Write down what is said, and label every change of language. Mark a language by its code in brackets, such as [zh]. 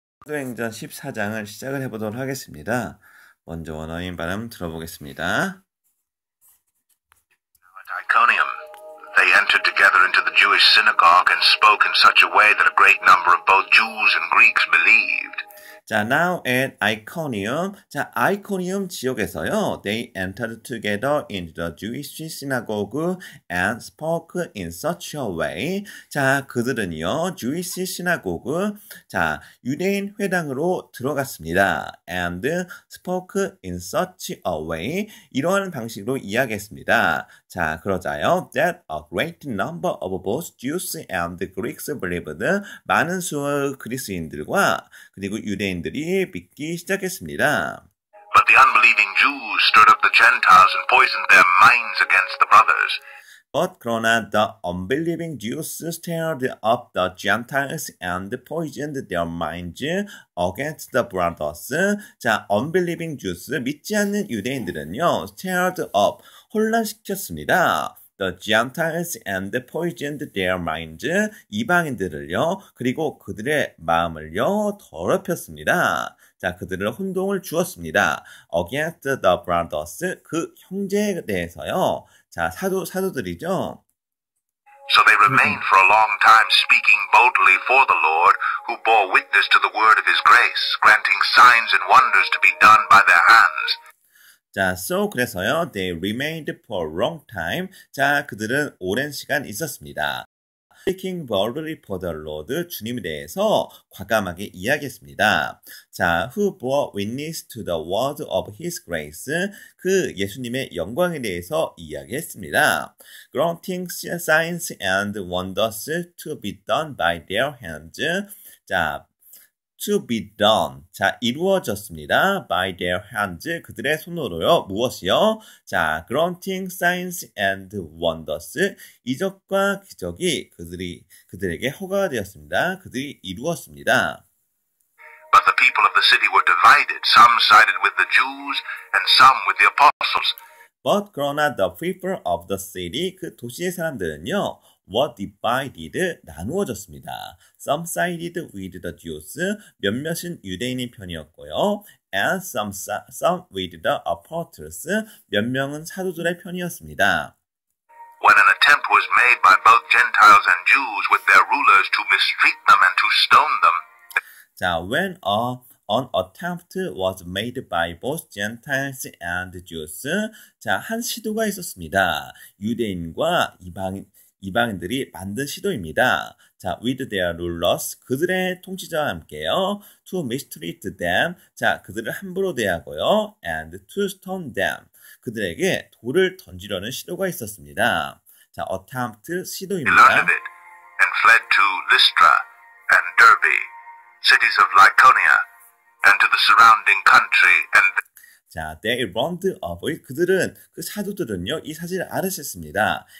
[ko] 사도행전 14장을 시작을 해보도록 하겠습니다. 먼저 원어민 발음 들어보겠습니다. [en] Iconium. They entered together into the Jewish synagogue and spoke in such a way that a great number of both Jews and Greeks believed. [ko] 자, [en] now at Iconium. [ko] 자, Iconium 지역에서요. [en] They entered together into the Jewish synagogue and spoke in such a way. [ko] 자, 그들은요. [en] Jewish synagogue. [ko] 자, 유대인 회당으로 들어갔습니다. [en] And spoke in such a way. [ko] 이러한 방식으로 이야기했습니다. 자, 그러자요. [en] That a great number of both Jews and Greeks believed. [ko] 많은 수의 그리스인들과 그리고 유대인 들이 믿기 시작했습니다. [en] But the unbelieving Jews stirred up the Gentiles and poisoned their minds against the brothers. But [ko] 그러나 [en] the unbelieving Jews stirred up the Gentiles and poisoned their minds against the brothers. [ko] 자, [en] unbelieving Jews [ko] 믿지 않는 유대인들은요, [en] stirred up [ko] 혼란시켰습니다. [en] The Gentiles and poisoned their minds. [ko] 이방인들을요, 그리고 그들의 마음을요, 더럽혔습니다. 자, 그들을 혼동을 주었습니다. [en] Against the brothers. [ko] 그 형제에 대해서요. 자, 사도들이죠. [en] So they remained for a long time speaking boldly for the Lord, who bore witness to the word of his grace, granting signs and wonders to be done by their hands. 자, so [ko] 그래서요, [en] they remained for a long time. [ko] 자, 그들은 오랜 시간 있었습니다. [en] Speaking boldly for the Lord, [ko] 주님에 대해서 과감하게 이야기했습니다. [en] 자, who bore witness to the word of his grace, [ko] 그 예수님의 영광에 대해서 이야기했습니다. [en] Granting signs and wonders to be done by their hands. [ko] 자, [en] To be done. [ko] 자, 이루어졌습니다. [en] By their hands. [ko] 그들의 손으로요. 무엇이요? 자, [en] granting signs and wonders. [ko] 이적과 기적이 그들에게 허가가 되었습니다. 그들이 이루었습니다. [en] But the people of the city were divided. Some sided with the Jews and some with the apostles. But [ko] 그러나 [en] the people of the city, [ko] 그 도시의 사람들은요. [en] What divided [ko] 나누어졌습니다. [en] Some sided with the Jews [ko] 몇몇은 유대인의 편이었고요. [en] And some with the apostles [ko] 몇 명은 사도들의 편이었습니다. [en] When an attempt was made by both Gentiles and Jews with their rulers to mistreat them and to stone them. 자, when an attempt was made by both Gentiles and Jews. [ko] 자, 한 시도가 있었습니다. 유대인과 이방인들이 만든 시도입니다. 자, [en] with their rulers, [ko] 그들의 통치자와 함께요. [en] To mistreat them, [ko] 자, 그들을 함부로 대하고요. [en] And to stone them, [ko] 그들에게 돌을 던지려는 시도가 있었습니다. 자, attempt, 시도입니다. [en] He learned of it and fled to Lystra and Derbe, cities of Lycaonia, and to the surrounding country and... 자, they learned of it. [ko] 그들은, 그 사도들은요, 이 사실을 알으셨습니다.